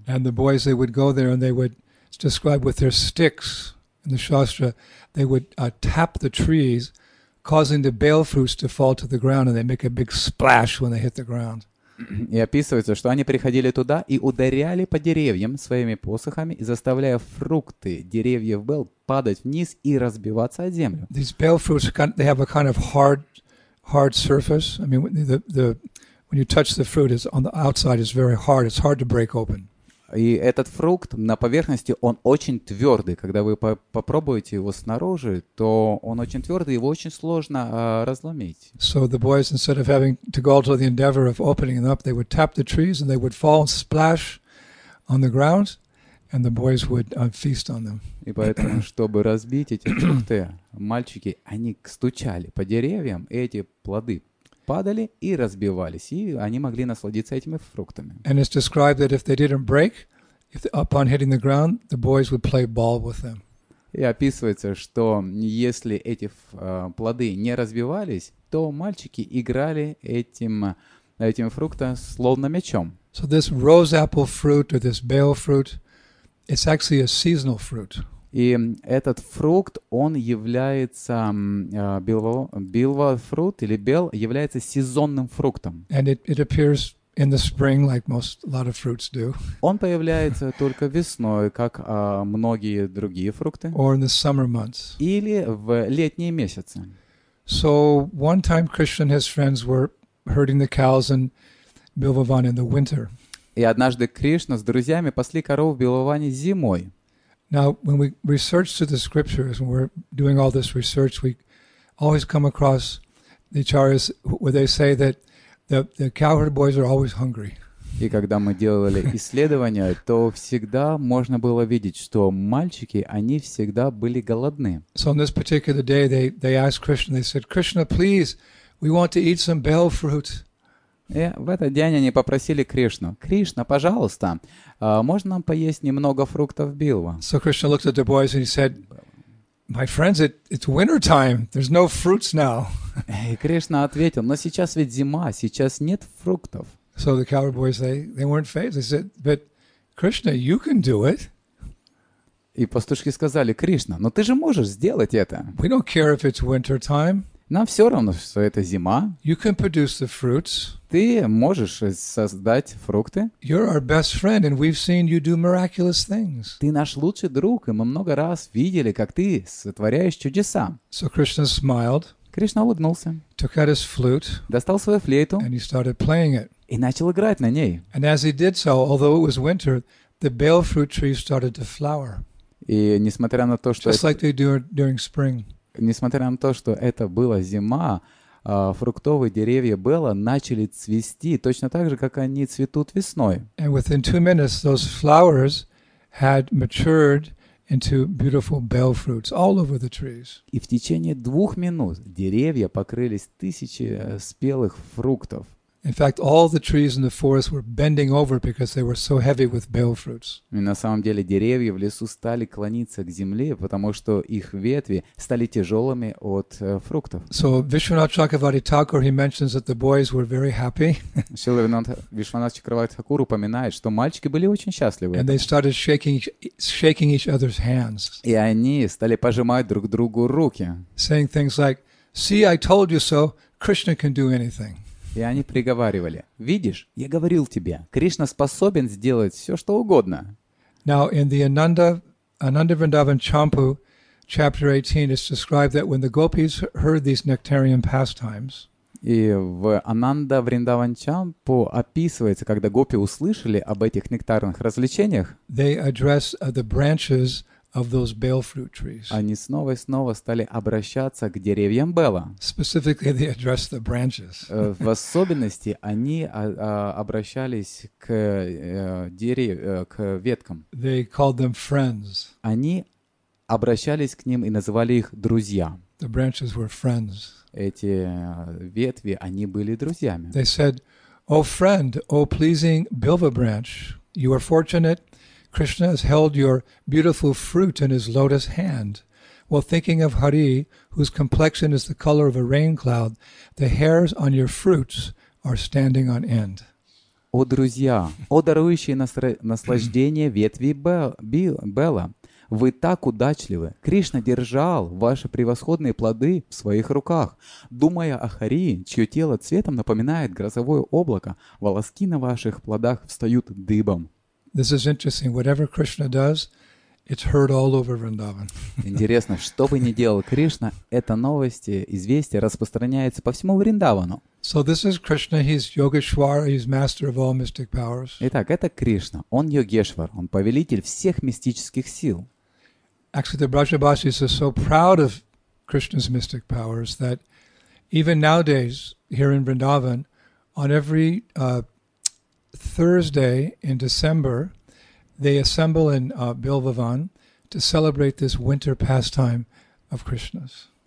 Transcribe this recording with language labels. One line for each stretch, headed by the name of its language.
English: And the boys, they would go there and they would describe with their sticks in the shastra, they would tap the trees, causing the bale fruits to fall to the ground, and they make a big splash when they hit the ground.
Russian: И описывается, что они приходили туда и ударяли по деревьям своими посохами, заставляя фрукты деревьев бел падать вниз и разбиваться о землю.
English: These bale fruits, they have a kind of hard surface. I mean, the when you touch the fruit, it's on the outside, it's very hard. It's hard to break open.
Russian: И этот фрукт на поверхности, он очень твердый. Когда вы попробуете его снаружи, то он очень твердый, его очень сложно разломить.
English: So the boys, instead of having to go to the endeavor of opening it up, they would tap the trees and they would fall and splash on the ground, and the boys would feast on them.
Russian: И поэтому, чтобы разбить эти фрукты, мальчики, они стучали по деревьям, и эти плоды падали и разбивались, и они могли насладиться этими фруктами.
English: And it's described that if they didn't break, upon hitting the ground, the boys would play ball with them.
Russian: И описывается, что если эти плоды не разбивались, то мальчики играли этим фруктом словно мячом.
English: So this rose apple fruit or this bale fruit, it's actually a seasonal fruit.
Russian: И этот фрукт, он является билва-фрукт или бел, является сезонным фруктом.
English: And it appears in the spring, like most a lot of fruits do.
Russian: Он появляется только весной, как многие другие фрукты.
English: Or in the summer months.
Russian: Или в летние месяцы.
English: So one time, Krishna and his friends were herding the cows in Bilvavana in the winter.
Russian: И однажды Кришна с друзьями пасли коров в Бхилавани зимой.
English: Now, when we research through the scriptures, when we're doing all this research, we always come across the acharyas where they say that the cowherd boys are always hungry.
Russian: И когда мы делали исследования, то всегда можно было видеть, что мальчики, они всегда были голодны.
English: So on this particular day, they asked Krishna, they said, Krishna, please, we want to eat some bell fruit.
Russian: И в этот день они попросили Кришну: «Кришна, пожалуйста, можно нам поесть немного фруктов билва?»
English: So Krishna looked at the boys and he said, my friends, it's winter time, there's no fruits now.
Russian: И Кришна ответил: но сейчас ведь зима, сейчас нет фруктов.
English: So the cowherd boys, they weren't fazed. They said, but Krishna, you can do it.
Russian: И пастушки сказали: Кришна, но ты же можешь сделать это.
English: We don't care if it's winter time.
Russian: Нам все равно, что это зима.
English: You can produce the fruits.
Russian: Ты можешь создать фрукты.
English: You're our best friend, and we've seen you do miraculous things.
Russian: Ты наш лучший друг, и мы много раз видели, как ты сотворяешь чудеса.
English: So Krishna smiled.
Russian: Кришна улыбнулся.
English: Took out his flute.
Russian: Достал свою флейту.
English: And he started playing it.
Russian: И начал играть на ней.
English: And as he did so, although it was winter, the bell fruit trees started to flower.
Russian: И несмотря на то, что
English: just like they do during spring.
Russian: Несмотря на то, что это была зима, фруктовые деревья Белла начали цвести, точно так же, как они цветут весной.
English: And within 2 minutes, those flowers had matured into beautiful bell fruits all over the trees.
Russian: И в течение 2 минут деревья покрылись тысячи спелых фруктов.
English: In fact, all the trees in the forest were bending over because they were so heavy with bell fruits.
Russian: И на самом деле деревья в лесу стали клониться к земле, потому что их ветви стали тяжелыми от фруктов.
English: So Vishwanath Chakravarti Thakur, he mentions that the boys were very happy.
Russian: Вишванат Чакраварти Тхакур упоминает, что мальчики были очень счастливы.
English: And they started shaking each other's hands.
Russian: И они стали пожимать друг другу руки.
English: Saying things like, "See, I told you so. Krishna can do anything."
Russian: И они приговаривали: «Видишь, я говорил тебе, Кришна способен сделать все, что угодно».
English: Now in the Ananda Vrindavan Champu, chapter 18, it's described that when the gopis heard these nectarian pastimes.
Russian: И в Ананда Вриндаван Чампу описывается, когда гопи услышали об этих нектарных развлечениях.
English: They address the branches of those bell fruit trees.
Russian: Они снова и снова стали обращаться к деревьям Белла.
English: Specifically, they addressed the branches.
Russian: В особенности они обращались к к веткам.
English: They called them friends.
Russian: Они обращались к ним и называли их друзья.
English: The branches were friends.
Russian: Эти ветви, они были друзьями.
English: They said, "O friend, O pleasing bilva branch, you are fortunate. Krishna has held your beautiful fruit in his lotus hand. While thinking of Hari, whose complexion is the color of a rain cloud, the hairs on your fruits are standing on end."
Russian: О, друзья, о, дарующие наслаждение ветви Белла, вы так удачливы. Кришна держал ваши превосходные плоды в своих руках. Думая о Хари, чье тело цветом напоминает грозовое облако, волоски на ваших плодах встают дыбом.
English: This is interesting. Whatever Krishna does, it's heard all over Vrindavan.
Russian: Интересно, что бы ни делал Кришна, эта новость, известие распространяется по всему Вриндавану.
English: So this is Krishna. He's Yogeshwar. He's master of all mystic powers.
Russian: Итак, это Кришна. Он Йогешвар. Он повелитель всех мистических сил.
English: Actually, the Brajabasis are so proud of Krishna's mystic powers that even nowadays here in Vrindavan, on every Thursday in December, they assemble in Bilvavan to celebrate this winter pastime of Krishna's.